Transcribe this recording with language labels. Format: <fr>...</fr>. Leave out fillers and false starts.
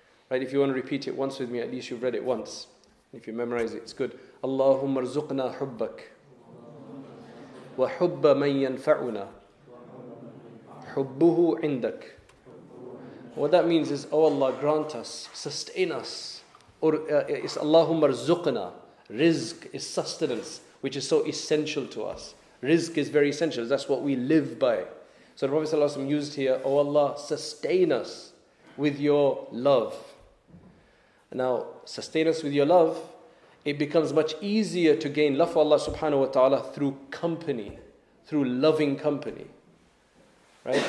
<en>Right, if you want to repeat it once with me, at least you've read it once. If you memorize it, it's good.</en> <ar>اللهم ارزقنا حبك وَحُبَّ مَنْ يَنْفَعُنَا حُبُّهُ عِنْدَكَ.</ar> <en>What that means is, oh Allah, grant us, sustain us. It's</en> <ar>اللهم ارزقنا.</ar> <en>Rizq is sustenance, which is so essential to us. Rizq is very essential, that's what we live by. So the Prophet ﷺ used here, O Allah, sustain us with your love. Now, sustain us with your love, it becomes much easier to gain love for Allah subhanahu wa ta'ala through company, through loving company. Right?</en>